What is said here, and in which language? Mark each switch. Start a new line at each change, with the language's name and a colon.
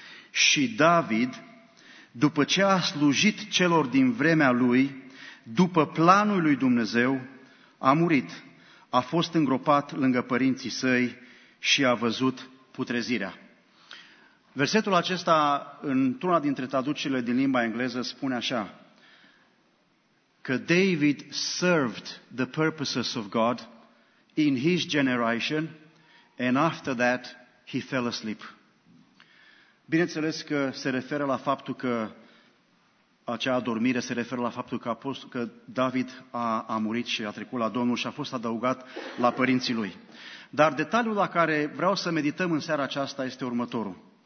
Romanian: Și David, după ce a slujit celor din vremea lui, după planul lui Dumnezeu, a murit. A fost îngropat lângă părinții săi și a văzut putrezirea. Versetul acesta, într-una dintre traducerile din limba engleză, spune așa.
English: Că David served the purposes of God in his generation and after that he fell asleep.
Romanian: Bineînțeles că se referă la faptul că acea adormire se referă la faptul că, David a murit și a trecut la Domnul și a fost adăugat la părinții lui. Dar detaliul la care vreau să medităm în seara aceasta este următorul.